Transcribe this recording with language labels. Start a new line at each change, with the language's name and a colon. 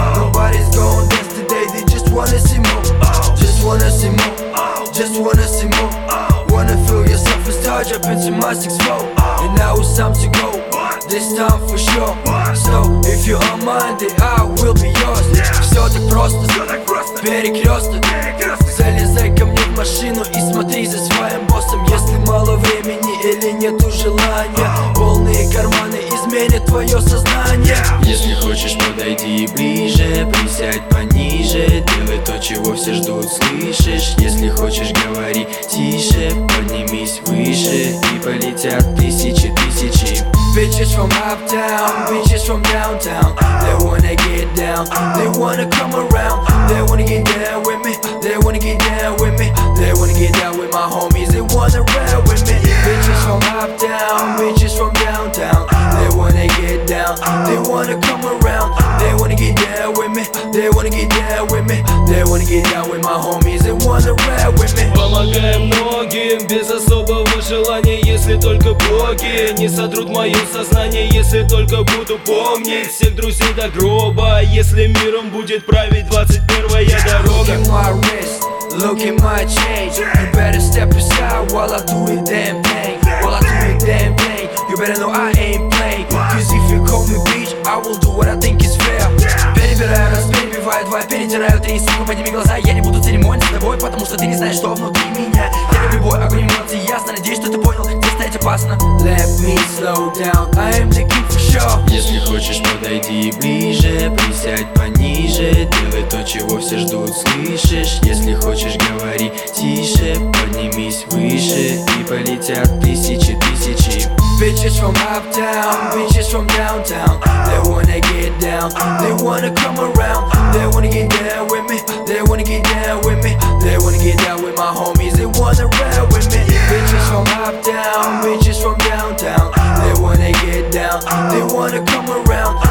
English: Nobody's gonna dance today, they just wanna see more. Just wanna see more. Just wanna see more. Wanna feel yourself and start jumping to my 6-4. And now it's time to go. This time for sure. So if you're on mind, then I will be yours.
Russian: Все так просто, перекресток. Залезай ко мне в машину и смотри за своим боссом. Если мало времени или нету желания, полные карманы изменят твое сознание. Если хочешь, подойди ближе, присядь пониже. Делай то, чего все ждут, слышишь? Если хочешь, говори тише, поднимись выше. И полетят тысячи, тысячи.
English: Bitches from uptown, bitches from downtown. They wanna get down, they wanna come around. They wanna get down with me, they wanna get down with me. They wanna get down with my homies, they wanna ride with me. Bitches from uptown, bitches from downtown. They wanna get down, they wanna come around. They wanna get down with me, they wanna get down with me. They wanna get down with my homies, they wanna ride with me.
Russian: Помогаем многим без особого желания. Если только боги не сотрут мое сознание. Если только буду помнить всех друзей до гроба. Если миром будет править 21-я дорога.
English: Look at my wrist, look at my chain. You better step aside while I do the damn thing. While I do the damn thing, you better know I ain't playing. Cause if you call me bitch, I will do what I think is fair.
Russian: Перебираю, разбиваю, два перетираю, три, сука, подними глаза. Я не буду церемониться с тобой, потому что ты не знаешь, что внутри меня. Я люблю бой, огонь эмоций, ясно, надеюсь, что ты понял.
English: Let me slow down, I am the king for sure.
Russian: Если хочешь, подойди ближе, присядь пониже. Делай то, чего все ждут, слышишь? Если хочешь, говори тише, поднимись выше. И полетят тысячи, тысячи.
English: Bitches from uptown, bitches from downtown. They wanna get down, they wanna come around. They wanna get down with me, they wanna get down with me. They wanna get down with my homies, they wanna ride with me. Bitches from uptown, bitches from downtown. They wanna get down, they wanna come around.